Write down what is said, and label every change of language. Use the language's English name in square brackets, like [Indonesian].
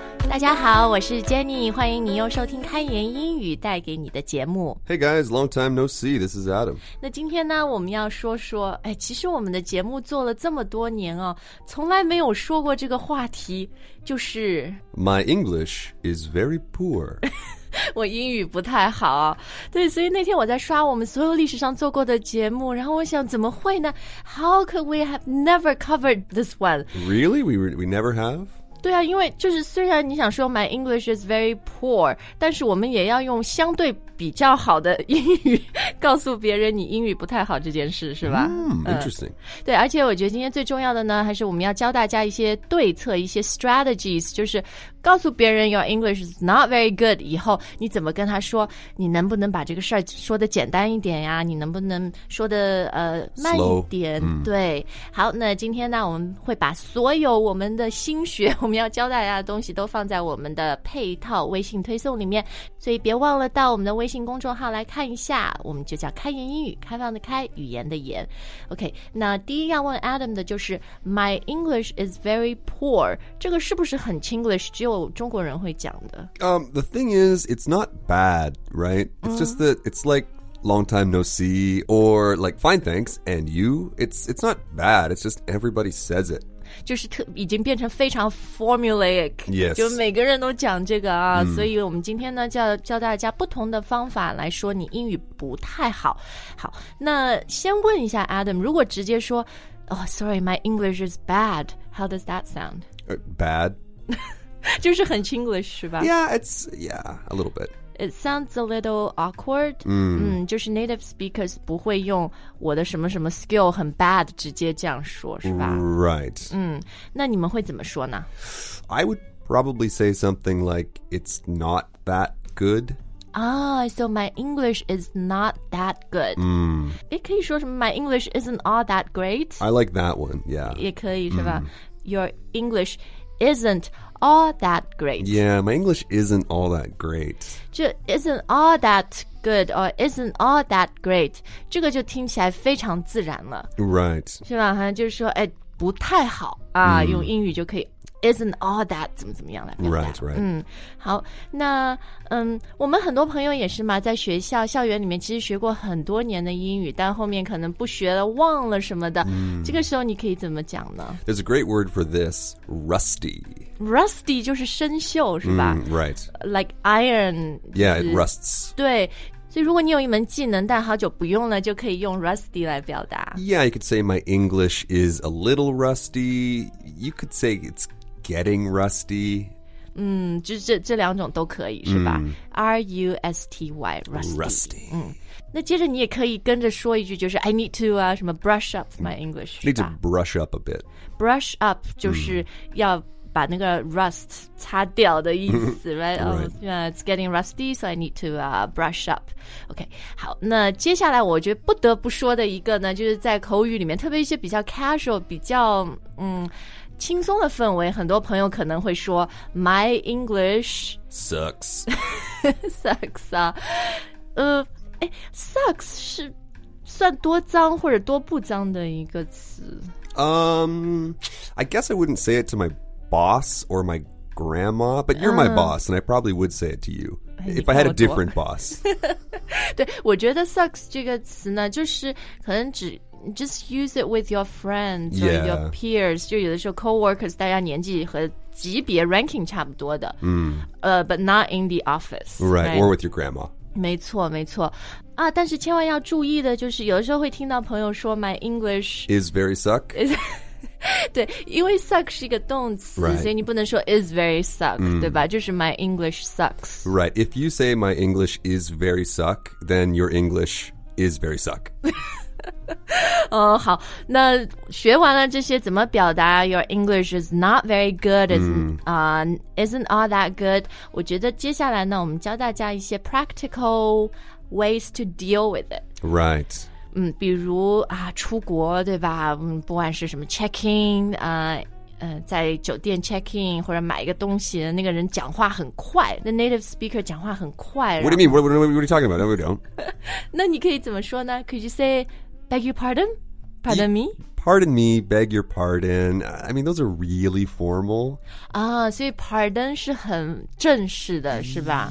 [Chinese] 大家好，我是 Jenny， 欢迎你又收听开言英语带给你的节目。 [English] Hey guys, long time no see, this is Adam. [Chinese] 那今天呢，我们要说说，哎，其实我们的节目做了这么多年哦，从来没有说过这个话题，就是 [English] My English is very poor. [Chinese] 我英语不太好，对，所以那天我在刷我们所有历史上做过的节目，然后我想怎么会呢？ [English] How could we have never covered this one? Really? We never have? [Chinese] 对啊，因为就是虽然你想说 [English] my English is very poor， [Chinese] 但是我们也要用相对比较好的英语告诉别人你英语不太好这件事，是吧？ [English] Interesting. [Chinese] 对，而且我觉得今天最重要的呢，还是我们要教大家一些对策，一些 strategies， 就是告诉别人 [English] your English is not very good [Chinese] 以后，你怎么跟他说？你能不能把这个事儿说的简单一点呀？你能不能说的慢一点？ [English] Slow. [Chinese] 对，好，那今天呢，我们会把所有我们的心血，我们要教大家的东西都放在我们的配套微信推送里面，所以别忘了到我们的微信公众号来看一下，我们就叫开言英语，开放的开，语言的言。 OK， 那第一要问 Adam 的就是 [English] My English is very poor， [Chinese] 这个是不是很 Chinglish？只有中国人会讲的。 [English] The thing is, it's not bad, right? It's just that it's like long time no see, or like fine thanks, and you? It's not bad, it's just everybody says it. [Chinese] 就是已经变成非常 formulaic. [English] Yes. [Chinese] 就每个人都讲这个啊。所以我们今天呢教大家不同的方法来说你英语不太好。好，那先问一下 Adam, 如果直接说 [English] Oh, sorry, my English is bad. How does that sound? Bad? [Chinese] 就是很 Chinglish 是吧 [English] Yeah, it's, yeah, a little bit. It sounds a little awkward. [Chinese] 就是 native speakers 不会用我的什么什么 skill 很 bad 直接这样说是吧 [English] Right. [Chinese] 那你们会怎么说呢 [English] I would probably say something like, it's not that good. Ah, so my English is not that good. [Chinese] 可以说什么 [English] my English isn't all that great. I like that one, yeah. [Chinese] 也可以是吧 [English] Your English isn't all that great. Yeah, my English isn't all that great. 就 isn't all that good or isn't all that great. [Chinese] 这个就听起来非常自然了。 [English] Right. [Chinese] 是吧？好像就是说，哎，不太好啊，用英语就可以 [English] isn't all that [Chinese] 怎么怎么样来表达。 [English] Right, right. [Chinese] 好，那我们很多朋友也是嘛，在学校校园里面其实学过很多年的英语，但后面可能不学了，忘了什么的。这个时候你可以怎么讲呢？ [English] There's a great word for this, rusty. [Chinese] Rusty 就是生锈是吧 [English] Right. Like iron. Yeah, it rusts. [Chinese] 对，所以如果你有一门技能但好久不用了就可以用 rusty 来表达。 [English] Yeah, you could say my English is a little rusty. You could say it's getting rusty. [Chinese] 这两种都可以是吧 R-U-S-T-Y, rusty. [English] Rusty. [Chinese] 那接着你也可以跟着说一句就是 [English] I need to [Chinese] 啊什么 [English] brush up my English. Need to brush up a bit. [Chinese] Brush up 就是要把那个 rust 擦掉的意思 right? [English] Right. Oh, it's getting rusty, so I need to brush up. [Chinese] OK, 好，那接下来我觉得不得不说的一个呢，就是在口语里面，特别一些比较 casual, 比较轻松的氛围，很多朋友可能会说 [English] My English sucks. [Chinese] sucks 啊，sucks 是算多脏或者多不脏的一个词。 [English] I guess I wouldn't say it to my boss or my grandma, but you're my boss, and I probably would say it to you if I had a different boss. [Chinese] 对，我觉得 sucks 这个词呢，就是可能只 [English] just use it with your friends or your peers. [Chinese] 就有的时候 coworkers 大家年纪和级别 ranking 差不多的， [English] but not in the office, right? Or with your grandma. [Chinese] 没错，没错。啊，但是千万要注意的就是，有的时候会听到朋友说 [English] my English is very suck. [Chinese] 对，因为 suck 是一个动词、 [English] right. [Chinese] 所以你不能说 [English] is very suck、 [Chinese] 对吧，就是 [English] my English sucks Right, if you say my English is very suck Then your English is very suck [Chinese] 好，那学完了这些怎么表达 [English] Your English is not very good isn't all that good [Chinese] 我觉得接下来呢我们教大家一些 [English] practical ways to deal with it Right [Chinese] 比如啊，出国对吧？不管是什么 check in 在酒店 check in 或者买一个东西，那个人讲话很快 ， [English] the native speaker [Chinese] 讲话很快。 [English] What do you mean? What are you talking about? What are you doing? [Chinese] 那你可以怎么说呢 ？ [English] Could you say, "Beg your pardon"? Pardon me. Pardon me. Beg your pardon. I mean, those are really formal. [Chinese] Ah, so pardon 是很正式的，是吧